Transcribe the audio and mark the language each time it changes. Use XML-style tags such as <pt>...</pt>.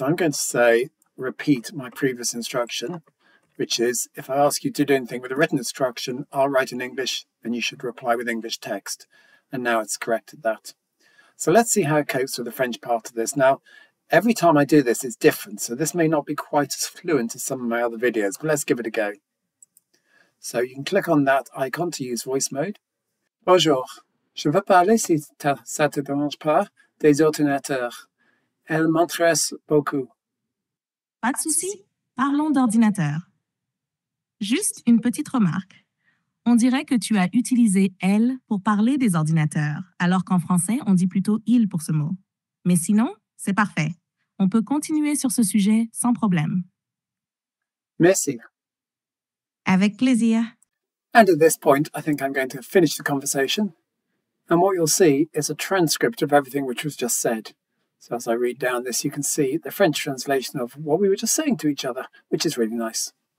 <en>So I'm going to say, repeat my previous instruction, which is, if I ask you to do anything with a written instruction, I'll write in English and you should reply with English text. And now it's corrected that. So let's see how it copes with the French part of this. Now, every time I do this, it's different. So this may not be quite as fluent as some of my other videos, but let's give it a go. So you can click on that icon to use voice mode.</en> <fr>Bonjour. Je veux parler, si ça te dérange pas, des ordinateurs. Elles m'intéressent beaucoup. Pas de souci. Parlons d'ordinateur. Juste une petite remarque. On dirait que tu as utilisé « elle » pour parler des ordinateurs, alors qu'en français, on dit plutôt « il » pour ce mot. Mais sinon, c'est parfait. On peut continuer sur ce sujet sans problème. Merci. Avec plaisir.</fr> <en>And at this point, I think I'm going to finish the conversation. And what you'll see is a transcript of everything which was just said. So as I read down this, you can see the French translation of what we were just saying to each other, which is really nice.</en>